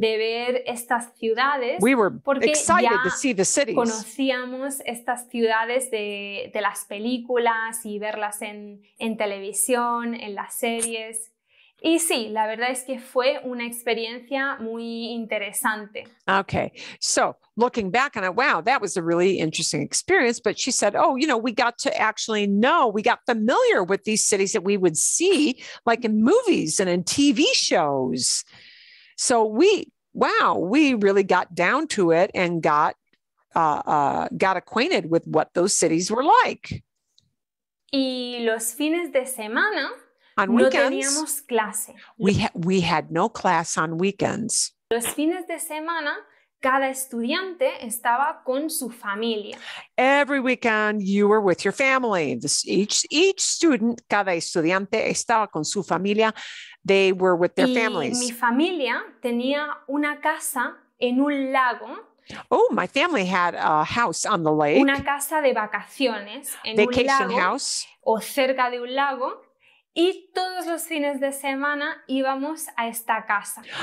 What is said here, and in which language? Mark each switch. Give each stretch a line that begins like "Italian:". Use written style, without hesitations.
Spanish: De ver estas ciudades.
English: We were excited to see the cities.
Spanish: Conocíamos estas ciudades de las películas y verlas en televisión, en las series. Y sí, la verdad es que fue una experiencia muy interesante.
English: Okay, so looking back on it, wow, that was a really interesting experience. But she said, oh, you know, we got to actually know, we got familiar with these cities that we would see like in movies and in TV shows. So we really got down to it and got acquainted with what those cities were like.
Spanish: Y los fines de semana...
English: On weekends,
Spanish: no teníamos clase.
English: We had no class on weekends.
Spanish: Los fines de semana, cada estudiante estaba con su familia.
English: Every weekend, you were with your family. Each student,
Spanish: cada estudiante estaba con su familia.
English: They were with their families.
Spanish: Y mi familia tenía una casa en un lago.
English: Oh, my family had a house on the lake.
Spanish: Una casa de vacaciones en
English: vacation
Spanish: un lago.
English: House.
Spanish: O cerca de un lago. Y todos los fines de semana íbamos a esta casa.